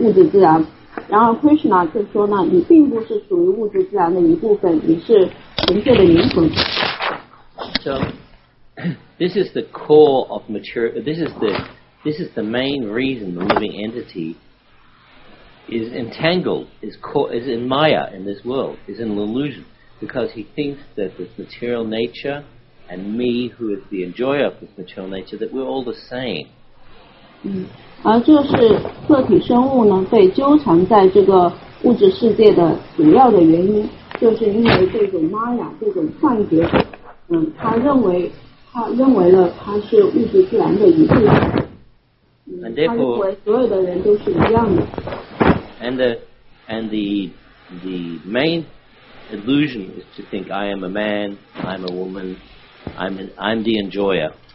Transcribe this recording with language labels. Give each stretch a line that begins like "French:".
Chinese: 那牵手的意思就是活动场所，它是属于物质自然的，牵手别那，也就是说这个场所的知悉者，它并不属于物质自然。然而，当一个人在玛雅的当中的时候呢，他就会把自己认同为物质自然。然而 Krishna 就说呢，你并不是属于物质自然的一部分，你是纯粹的灵魂。So
English: this is the core of material. This is the main reason the living entity is entangled, is in Maya in this world, is an illusion, because he thinks that this material nature and me, who is the enjoyer of this material nature, that we're all the same.
Chinese: 而就是个体生物呢，被纠缠在这个物质世界的主要的原因，就是因为这种Maya这种幻觉，他认为了它是物质自然的一部分。
English: And therefore, and the main illusion is to think I am a man, I'm a woman, I'm the enjoyer.